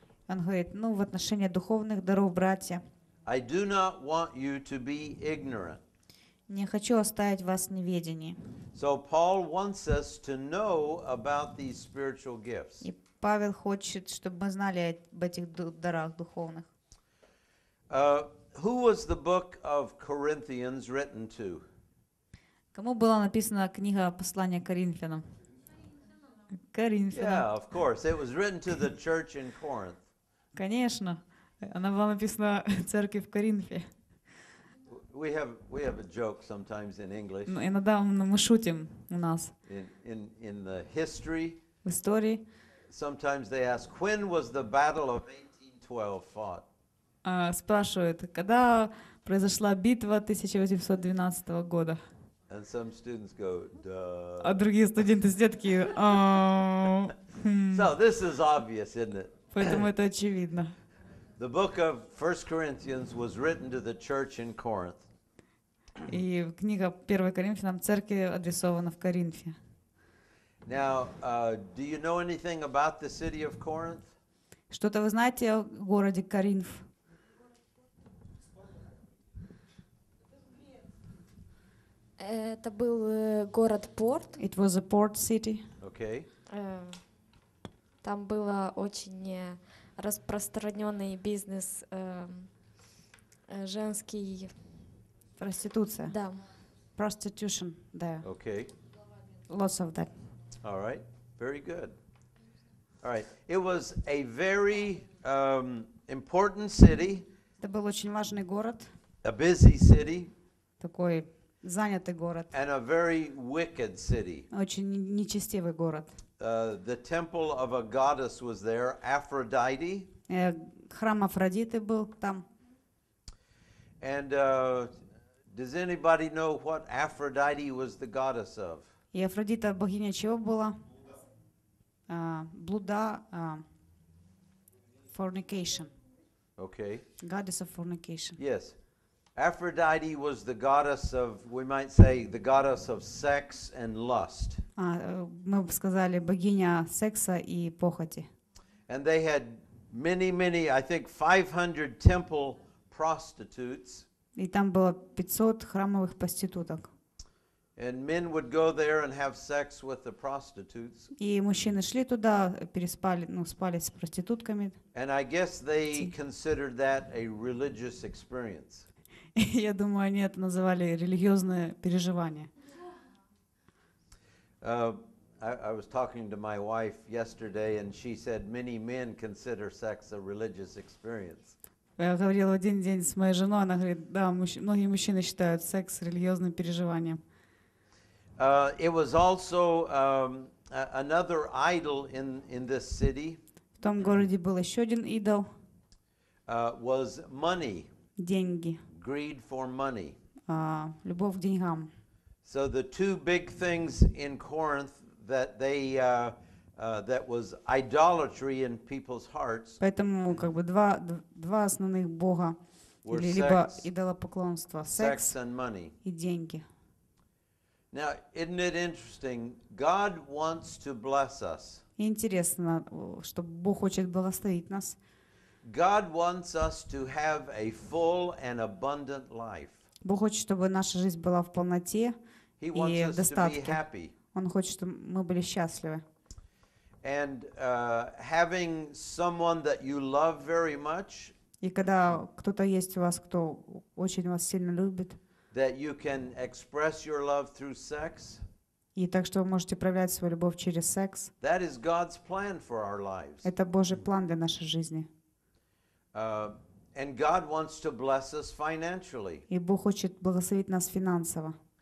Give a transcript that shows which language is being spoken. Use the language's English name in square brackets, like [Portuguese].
[Russian] он говорит, ну, в отношении духовных даров, братья, [English] I do not want you to be ignorant. [Russian] Не хочу оставить вас в неведении. [English] So Paul wants us to know about these spiritual gifts. [Russian] И Павел хочет, чтобы мы знали об этих дарах духовных. [English] Who was the book of Corinthians written to? [Russian] Кому была написана книга послания Коринфянам? Коринфянам. [English] Yeah, of course. It was written to the church in Corinth. [Russian] Конечно. Она была написана церкви в Коринфе. [English] We have a joke sometimes in English. [Russian] Иногда мы шутим у нас. [English] In the history. [Russian] В истории. [English] Sometimes they ask, when was the battle of 1812 fought? [Russian] Спрашивают, когда произошла битва 1812 года? А другие студенты, детки, [English] So this is obvious, isn't it? [Russian] Поэтому это очевидно. [English] The book of 1 Corinthians was written to the church in Corinth. [Russian] И книга 1 Коринфянам церкви адресована в Коринфе. [English] Now, do you know anything about the city of Corinth? [Russian] Что-то вы знаете о городе Коринф? Это был город порт. [English] It was a port city. Okay. [Russian] Там было очень распространенный бизнес, женский. Проституция. Да. [English] Prostitution. Да. Okay. Lots of that. All right. Very good. All right. It was a very important city. [Russian] Это был очень важный город. [English] A busy city. [Russian] Такой занятый город. [English] And a very wicked city. [Russian] Очень нечестивый город. [English] The temple of a goddess was there, Aphrodite. [Russian] Храм Афродиты был там. [English] And does anybody know what Aphrodite was the goddess of? [Russian] И Афродита богиня чего была? Блуда, fornication. [English] Okay. Goddess of fornication. Yes. Aphrodite was the goddess of, we might say, the goddess of sex and lust. [Russian] Мы бы сказали, богиня секса и похоти. [English] And they had many, I think 500 temple prostitutes. [Russian] И там было 500 храмовых проституток. [English] And men would go there and have sex with the prostitutes. [Russian] И мужчины шли туда, переспали, ну, спали с проститутками. [English] And I guess they considered that a religious experience. [Russian] Я думаю, они это называли религиозное переживание. [English] I was talking to my wife yesterday, and she said many men consider sex a religious experience. [Russian] Я говорила один день с моей женой, она говорит, да, многие мужчины считают секс религиозным переживанием. [English] It was also another idol in this city. [Russian] В том городе был еще один идол. [English] Was money. [Russian] Деньги. [English] Greed for money. [Russian] Любовь к деньгам. [English] So the two big things in Corinth that they that was idolatry in people's hearts. [Russian] Поэтому как бы два основных бога или либо идолопоклонство, [English] sex and money. [Russian] И деньги. [English] Now, isn't it interesting? God wants to bless us. [Russian] Интересно, что Бог хочет благословить нас. [English] God wants us to have a full and abundant life. [Russian] Бог хочет, чтобы наша жизнь была в полноте. [English] He wants us to be happy. [Russian] Он хочет, чтобы мы были счастливы. [English] And having someone that you love very much. [Russian] И когда кто-то есть у вас, кто очень вас сильно любит. [English] That you can express your love through sex. [Russian] И так что вы можете проявлять свою любовь через секс. [English] That is God's plan for our lives. [Russian] Это Божий план для нашей жизни. [English] And God wants to bless us financially. [Russian] И Бог хочет благословить нас финансово.